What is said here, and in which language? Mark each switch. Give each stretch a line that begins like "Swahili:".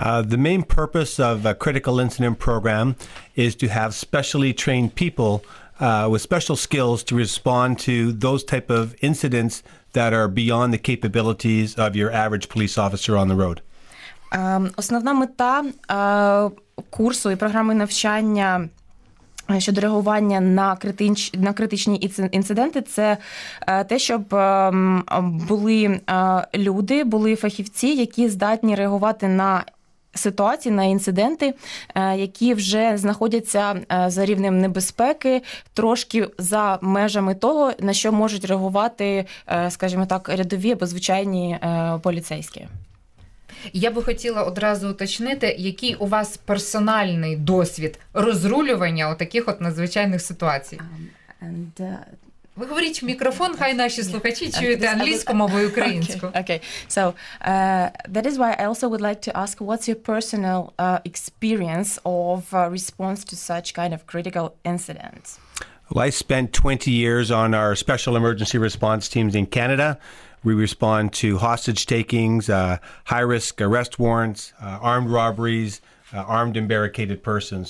English: The main purpose of a critical incident program is to have specially trained people with special skills to respond to those type of incidents that are beyond the capabilities of your average police officer on the road.
Ukrainian: Основна мета курсу і програми навчання щодо реагування на критичні інциденти, це те, щоб були люди, були фахівці, які здатні реагувати на ситуації, на інциденти, які вже знаходяться за рівнем небезпеки, трошки за межами того, на що можуть реагувати, скажімо так, рядові або звичайні поліцейські. Я би хотіла одразу уточнити, який у вас персональний досвід розрулювання отаких от надзвичайних ситуацій. Ви говоріть в мікрофон, хай наші слухачі чують англійську мову і українську.
English: Okay. So, that is why I also would like to ask, what's your personal experience of response to such kind of critical incidents? Well, I spent 20 years on our special emergency response teams in Canada. We respond to hostage takings, high-risk arrest warrants, armed robberies, armed and barricaded persons.